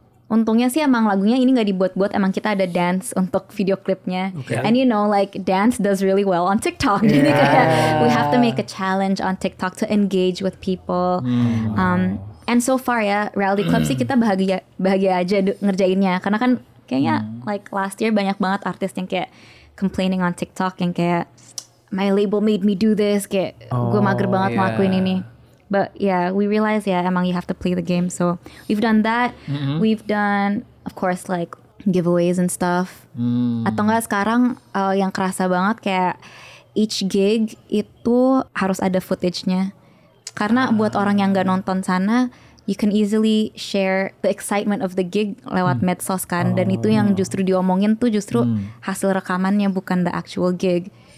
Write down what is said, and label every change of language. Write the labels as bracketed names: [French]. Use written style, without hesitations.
[Indonesian] Untungnya sih emang lagunya ini nggak dibuat-buat. Emang kita ada dance untuk video klipnya. [English] Okay. And you know, like dance does really well on TikTok. We have to make a challenge on TikTok to engage with people. [Indonesian] And so far ya, reality club sih kita bahagia aja ngerjainnya. Karena kan kayaknya like last year banyak banget artis yang kayak [English] complaining on TikTok [Indonesian] yang kayak [English] my label made me do this, [Indonesian] kayak gue mager banget ngelakuin ini. [English] But yeah, we realize emang you have to play the game. So we've done that. We've done, of course, like giveaways and stuff. [Indonesian] Atau enggak sekarang yang kerasa banget kayak [English] each gig [Indonesian] itu harus ada footage-nya. Karena buat orang yang gak nonton sana, [English] you can easily share the excitement of the gig [Indonesian] lewat medsos kan. Dan itu yang justru diomongin tuh justru hasil rekamannya, bukan [English] the actual gig.